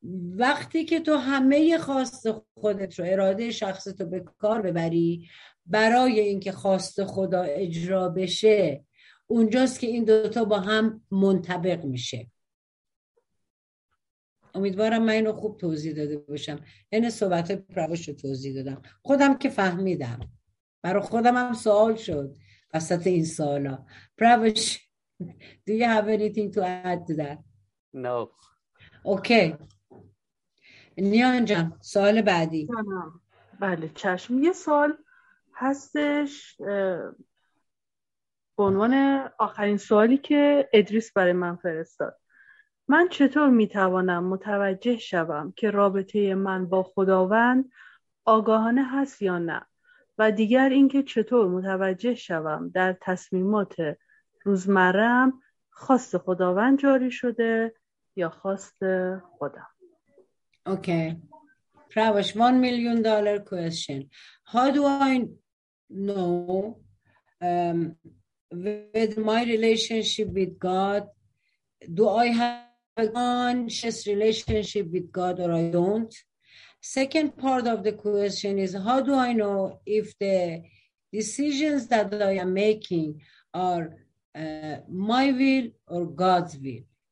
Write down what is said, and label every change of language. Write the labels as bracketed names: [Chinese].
[Persian] وقتی که تو همه خواست خودت رو، اراده شخصت رو به کار ببری برای اینکه خواست خدا اجرا بشه، اونجاست که این دوتا با هم منطبق میشه. امیدوارم من اینو خوب توضیح داده باشم. این صحبت پروش رو توضیح دادم، خودم که فهمیدم، برای خودم هم سوال شد وسط این سوالا. [English] Pravesh, do you have anything to add to that? No. [Persian] Okay. نیان جان، سوال بعدی. بله چشم، یه سوال هستش به عنوان آخرین سوالی که ادریس برای من فرستاد. من چطور میتوانم متوجه شوم که رابطه من با خداوند آگاهانه هست یا نه؟ و دیگر اینکه چطور متوجه شوم در تصمیمات روزمره‌ام خواست خداوند جاری شده یا خواست خودم؟ [English] Okay. Pravash, $1 million question. How do I know with my relationship with God, do I have a conscious relationship with God or I don't? Second part of the question is, how do I know if the decisions that I am making are my will or God's will?